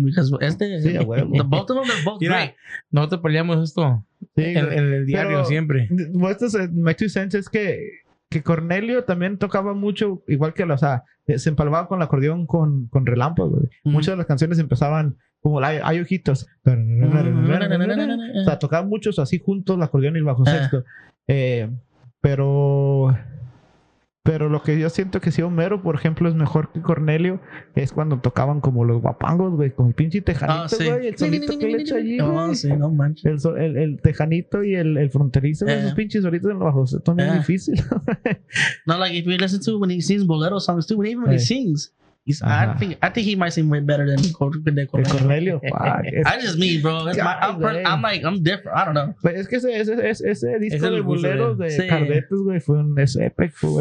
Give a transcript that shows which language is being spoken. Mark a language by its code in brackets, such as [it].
[en] Because the both of them are both great. [es] Nosotros peleamos esto. Sí, en el diario, pero siempre. Vuestros [en] my two cents [es] es que Cornelio también tocaba mucho, igual que se empalmaba con el acordeón con relámpago. Mm-hmm. Muchas de las canciones empezaban como hay ojitos. Mm-hmm. O sea, tocaban muchos así juntos el acordeón y el bajo sexto. Pero lo que yo siento que sí, Homero, por ejemplo, es mejor que Cornelio, es cuando tocaban como los guapangos, güey, con el pinche tejanito, güey. Sí. El solito que le echó allí, güey. No manches. El tejanito y el fronterizo, esos pinches solitos en los bajos. Esto es difícil. [en] No, like, if you listen to when he sings bolero songs too, when he sings, I think he might sing way better than Cornelio. Cornelio, I just mean, bro. I'm different. I don't know. [es] Pero es que ese disco es de boleros de Cardetes, güey, fue un es épico.